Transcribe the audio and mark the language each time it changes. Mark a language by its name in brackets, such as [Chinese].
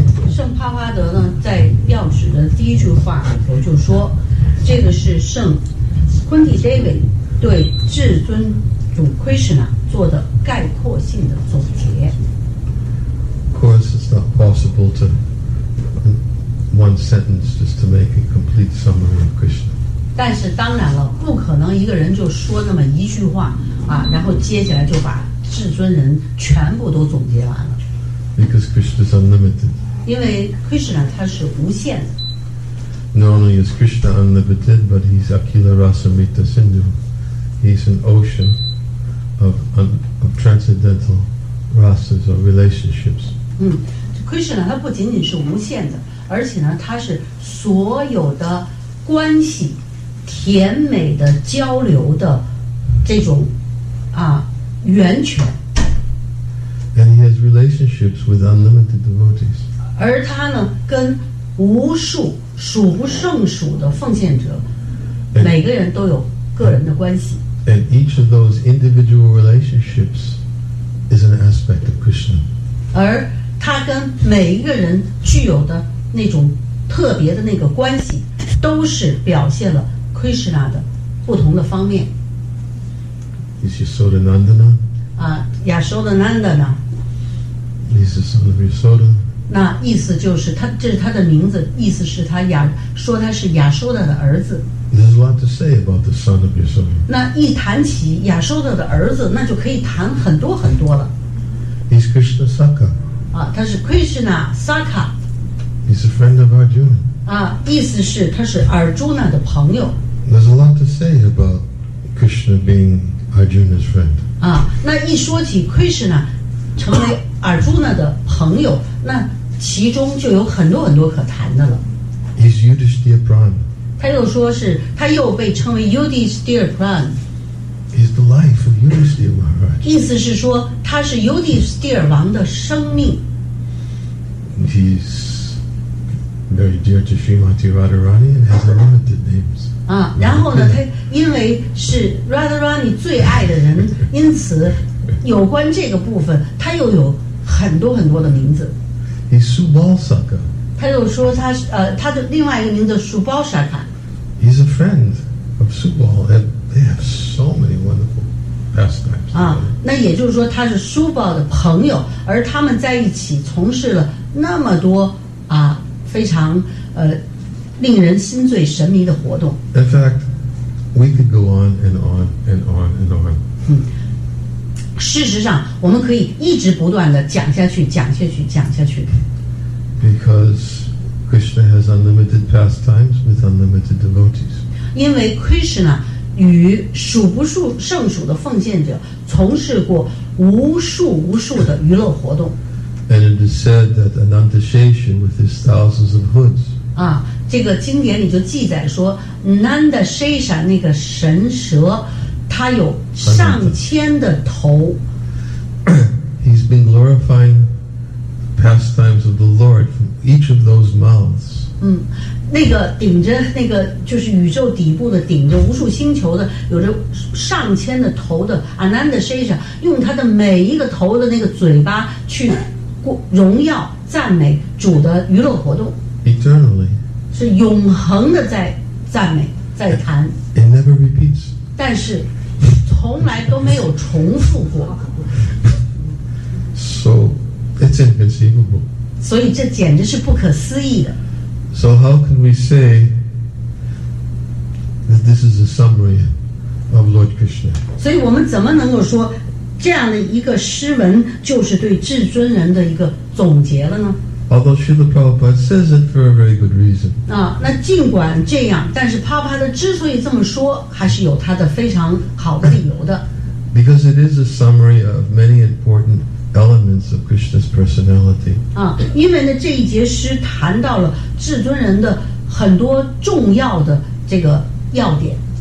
[Chinese] 圣帕瓦德呢，在钥匙的第一句话里头就说，这个是圣昆蒂·戴维对至尊主 Krishna 做的概括性的总结。 [English] Of course, it's not possible to one sentence just to make a complete summary of Krishna. [Chinese] 但是当然了，不可能一个人就说那么一句话啊，然后接下来就把至尊人全部都总结完了。 [English] Because Krishna is unlimited. [Chinese] 因为 Krishna 他是无限的。 [English] Not only is Krishna unlimited, but he's Akila Rasamrita Sindhu. He's an ocean of transcendental rasas or relationships. [Chinese] Krishna 他不仅仅是无限的，而且呢，他是所有的关系、甜美的交流的这种啊源泉。 [English] And he has relationships with unlimited devotees. [Chinese] 而他呢，跟无数数不胜数的奉献者，每个人都有个人的关系。 [English] And each of those individual relationships is an aspect of Krishna. [Chinese] 而他跟每一个人具有的那种特别的那个关系，都是表现了 Krishna 的不同的方面。 [English] Is Yasoda Nandana? Yasoda Nandana. He's the son of Yasoda. [Chinese] 那意思就是他，这是他的名字，意思是他亚，说他是亚修达的儿子。 [English] There's a lot to say about the son of Yasoda. [Chinese] 那一谈起亚修达的儿子，那就可以谈很多很多了。 [English] He's Krishna Sakha. [Chinese] 他是 Krishna Sakha. [English] He's a friend of Arjuna. [Chinese] 意思是他是 Arjuna 的朋友。 [English] There's a lot to say about Krishna being Arjuna's friend. [Chinese] 那一说起 Krishna 成为Arjuna 的朋友，那其中就有很多很多可谈的了。 [English] He's Yudhishthira Prime. [Chinese] 他又说是，他又被称为 Yudhishthira Prime. [English] He's the life of Yudhishthira Maharaj. [Chinese] 意思是说，他是 Yudhishthira 王的生命。 [English] He's very dear to Srimati Radharani and has unlimited names. [Chinese] 然后呢，他因为是 Radharani 最爱的人，因此。有关这个部分，他又有很多很多的名字。 [English] He's Subal Sakha. [Chinese] 他又说他他的另外一个名字 Subal Sakha. [English] He's a friend of Subal, and they have so many wonderful pastimes. [Chinese] 那也就是说他是 Subal 的朋友，而他们在一起从事了那么多非常令人心醉神迷的活动。 [English] In fact, we could go on and on and on and on. [Chinese] 事实上，我们可以一直不断的讲下去，讲下去，讲下去。 [English] Because Krishna has unlimited pastimes with unlimited devotees. [Chinese] 因为 Krishna 与数不数胜数的奉献者从事过无数无数的娱乐活动。 [English] And it is said that Ananta Shesha with his thousands of hoods. [Chinese] 这个经典里就记载说 ，Ananta Shesha 那个神蛇。他有上千的头。 [English] He's been glorifying pastimes of the Lord from each of those mouths. [Chinese] 那个顶着那个就是宇宙底部的顶着无数星球的有着上千的头的 Ananda Shesha 用他的每一个头的那个嘴巴去荣耀赞美主的娱乐活动。 [English] Eternally. [Chinese] 是永恒的在赞美，在谈。 [English] It never repeats. [Chinese] 但是。从来都没有重复过。 [English] So it's inconceivable. [Chinese] 所以这简直是不可思议的。 [English] So how can we say that this is a summary of Lord Krishna? [Chinese] 所以我们怎么能够说这样的一个诗文就是对至尊人的一个总结了呢？ [English] Although Srila Prabhupada says it for a very good reason. [Chinese] 那尽管这样，但是帕帕的之所以这么说，还是有他的非常好的理由的。 [English] Because it is a summary of many important elements of Krishna's personality. [Chinese] 因为呢，这一节诗谈到了至尊人的很多重要的这个要点。